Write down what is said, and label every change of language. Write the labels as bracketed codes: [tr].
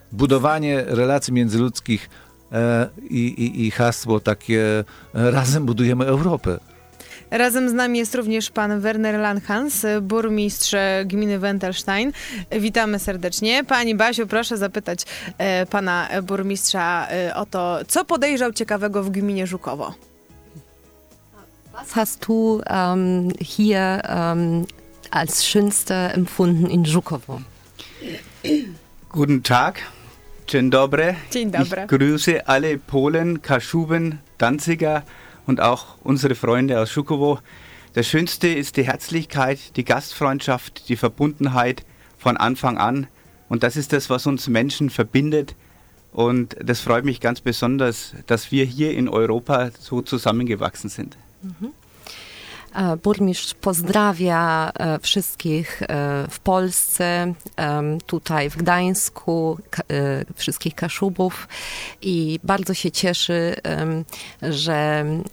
[pl] Budowanie relacji międzyludzkich i hasło takie: razem budujemy Europę. Razem z nami jest również pan Werner Langhans, burmistrz gminy Wendelstein. Witamy serdecznie. Pani Basiu, proszę zapytać pana burmistrza o to, co podejrzał ciekawego w gminie Żukowo. [de] Was hast du hier als schönste empfunden in Żukowo? Guten Tag. [pl] Dzień dobry. Dzień dobry. [de] Ich grüße alle Polen, Kaszuben, Danziger und auch unsere Freunde aus Żukowo. Das Schönste ist die Herzlichkeit, die Gastfreundschaft, die Verbundenheit von Anfang an. Und das ist das, was uns Menschen verbindet. Und das freut mich ganz besonders, dass wir hier in Europa so zusammengewachsen sind. Mhm. [pl] Burmistrz pozdrawia wszystkich w Polsce, tutaj w Gdańsku, wszystkich Kaszubów i bardzo się cieszy, że